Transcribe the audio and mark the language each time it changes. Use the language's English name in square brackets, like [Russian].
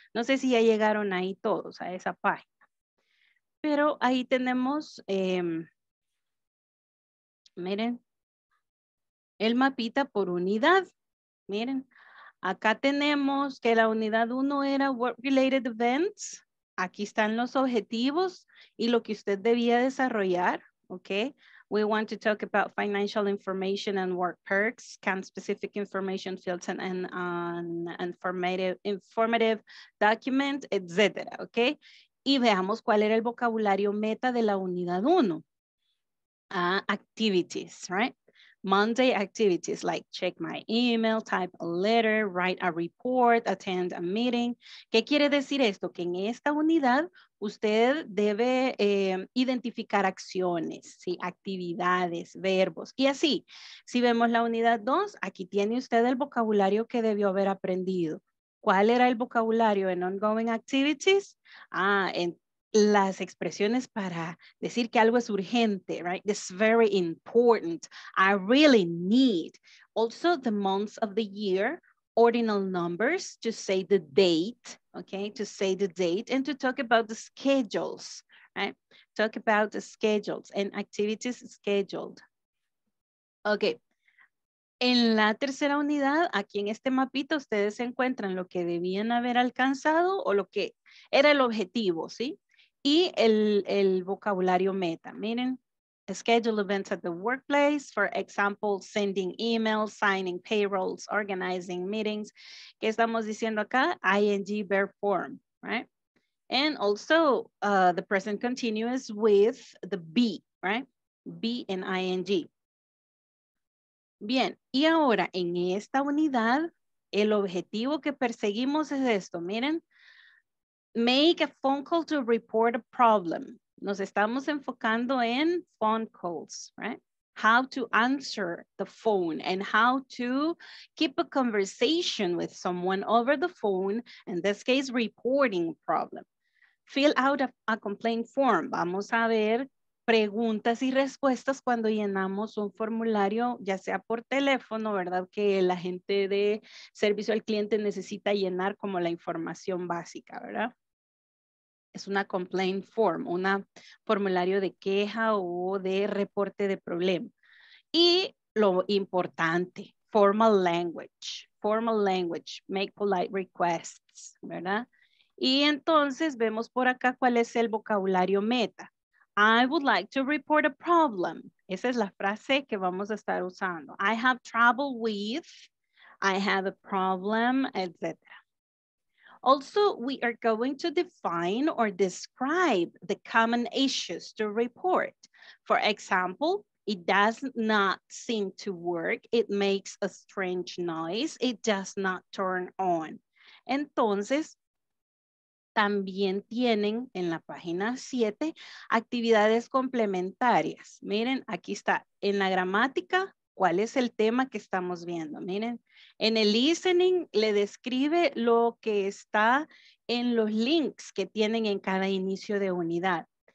[Spanish] No sé si ya llegaron ahí todos a esa página. Pero ahí tenemos, miren, el mapita por unidad. Miren, acá tenemos que la unidad 1 era work-related events. Aquí están los objetivos y lo que usted debía desarrollar, ¿ok? [English] We want to talk about financial information and work perks, can specific information fields and informative document, etc. ¿Ok? [Spanish] Y veamos cuál era el vocabulario meta de la unidad 1. [English] Activities, right? Monday activities like check my email, type a letter, write a report, attend a meeting. [Spanish] ¿Qué quiere decir esto? Que en esta unidad usted debe identificar acciones, ¿sí? Actividades, verbos y así. Si vemos la unidad 2, aquí tiene usted el vocabulario que debió haber aprendido. ¿Cuál era el vocabulario en ongoing activities? Ah, en las expresiones para decir que algo es urgente, right? [English] This is very important. I really need. Also, the months of the year, ordinal numbers to say the date, okay? To say the date and to talk about the schedules, right? Talk about the schedules and activities scheduled. Okay. [Spanish] En la tercera unidad, aquí en este mapita, ustedes encuentran lo que debían haber alcanzado o lo que era el objetivo, ¿sí? Y el vocabulario meta, miren, [English] schedule events at the workplace, for example, sending emails, signing payrolls, organizing meetings. [Spanish] ¿Qué estamos diciendo acá? [English] ING verb form, right? And also the present continuous with the be, right? Be and ING. [Spanish] Bien, y ahora en esta unidad, el objetivo que perseguimos es esto, miren. [English] Make a phone call to report a problem. [Spanish] Nos estamos enfocando en [English] phone calls, right? How to answer the phone and how to keep a conversation with someone over the phone. In this case, reporting a problem. Fill out a complaint form. [Spanish] Vamos a ver preguntas y respuestas cuando llenamos un formulario, ya sea por teléfono, ¿verdad? Que la gente de servicio al cliente necesita llenar como la información básica, ¿verdad? Es una complaint form, un formulario de queja o de reporte de problema. Y lo importante, [English] formal language. Formal language, make polite requests, ¿verdad? [Spanish] Y entonces vemos por acá cuál es el vocabulario meta. [English] I would like to report a problem. [Spanish] Esa es la frase que vamos a estar usando. [English] I have trouble with, I have a problem, etc. Also, we are going to define or describe the common issues to report. For example, it does not seem to work. It makes a strange noise. It does not turn on. [Spanish] Entonces, también tienen en la página 7 actividades complementarias. Miren, aquí está en la gramática. ¿Cuál es el tema que estamos viendo? Miren, en el listening le describe lo que está en los links que tienen en cada inicio de unidad.